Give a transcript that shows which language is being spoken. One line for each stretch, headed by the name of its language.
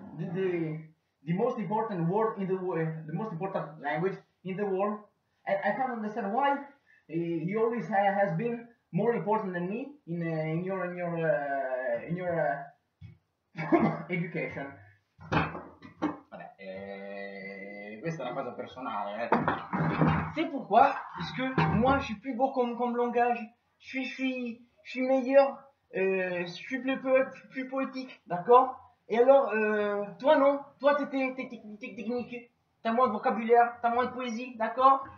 English: I'm the most important word in the world, the most important language in the world, and I can't understand why he always has been more important than me in your education.
Italian: Vabbè, questa è una cosa personale, eh.
French: C'est pourquoi? Parce que moi je suis plus beau comme langage, je suis meilleur, je suis plus poétique, d'accord? Et alors, toi non, toi t'es technique, t'as moins de vocabulaire, t'as moins de poésie, d'accord?